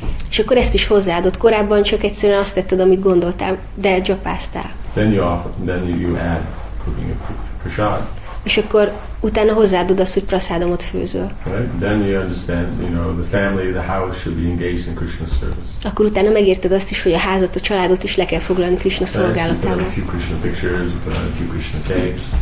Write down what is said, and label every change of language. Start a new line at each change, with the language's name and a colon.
Hungarian: És akkor ezt is hozzáadott. Korábban csak egyszerűen azt tetted, amit gondoltál, de gyapáztál.
English: Then you add cooking a prasad.
Hungarian: És akkor utána hozzáadod azt, hogy prasadamot főzöl.
English: Right? Then you understand, you know, the family, the house should be engaged in Krishna service.
Hungarian: Akkor utána megérted azt is, hogy a házat, a családot is le kell foglalni Krishna szolgálatába.
English: You put on a few Krishna pictures, you put on a few Krishna tapes.